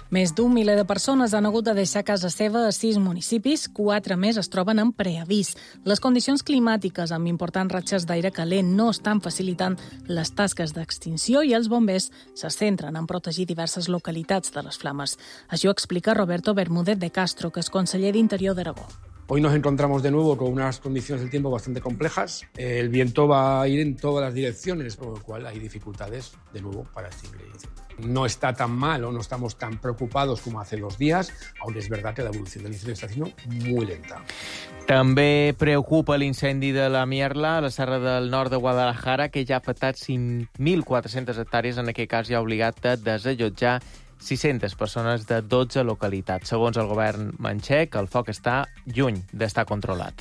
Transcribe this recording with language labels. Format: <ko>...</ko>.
<ca>Més d'un miler de persones han hagut de deixar casa seva a 6 municipis, 4 més es troben en preavís. Les condicions climàtiques amb importants ratxes d'aire calent no estan facilitant les tasques d'extinció i els bombers se centren en protegir diverses localitats de les flames. Això ho explica Roberto Bermúdez de Castro, que és conseller d'Interior d'Aragó.</ca> <es>Hoy nos encontramos de nuevo con unas condiciones del tiempo bastante complejas. El viento va a ir en todas las direcciones, por lo cual hay dificultades de nuevo para extinguir. No está tan mal o no estamos tan preocupados como hace 2 días, aunque es verdad que la evolución del incendio está siendo muy lenta.</es> <ca>També preocupa l'incendi de la Mierla, a la serra del nord de Guadalajara, que ja ha afectat 5.400 hectàrees, en aquest cas ja ha obligat a desallotjar 600 persones de 12 localitats. Segons el govern manxec, el foc està lluny d'estar controlat.</ca>